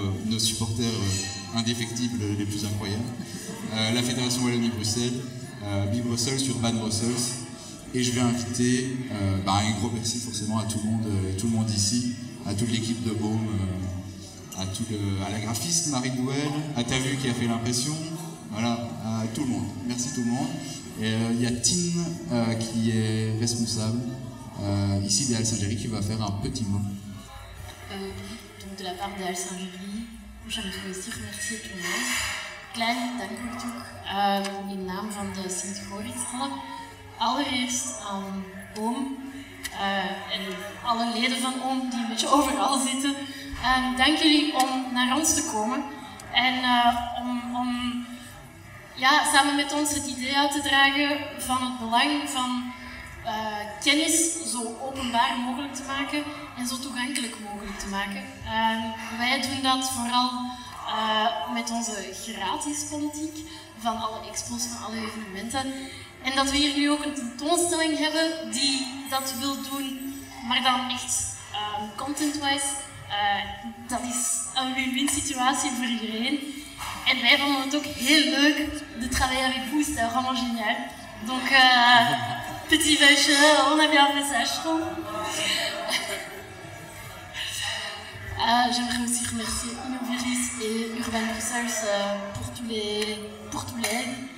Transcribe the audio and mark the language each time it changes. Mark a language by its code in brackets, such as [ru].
[fr] nos supporters indéfectibles les plus incroyables, la Fédération Wallonie-Bruxelles, Bibrussels sur Van Brussels, et je vais inviter un gros merci forcément à tout le monde ici, à toute l'équipe de Baume, à la graphiste Marie Douel, à ta vue qui a fait l'impression, voilà, à tout le monde. Merci tout le monde. Et il y a Tine qui est responsable ici d'Al Saint-Géry qui va faire un petit mot. Donc de la part d'Al Saint-Géry, coup, j'aimerais aussi remercier tout le monde. [nl] Klein, dank ook toe in naam van de Sint-Goritz-Hallen. Allereerst aan Oom en alle leden van Oom die een beetje overal zitten. Dank jullie om naar ons te komen en om samen met ons het idee uit te dragen van het belang van kennis zo openbaar mogelijk te maken en zo toegankelijk mogelijk te maken. Wij doen dat vooral met onze gratis politiek van alle expos, van alle evenementen. En dat we hier nu ook een tentoonstelling hebben die dat wil doen, maar dan echt content-wise. Dat is een win-win situatie voor iedereen. En wij vonden het ook heel leuk, de [fr] travail avec vous, c'était vraiment génial. Donc, petit vuistje, on a bien un message, je trouve. J'aimerais aussi remercier Innoviris et Urban Research pour tous les aides.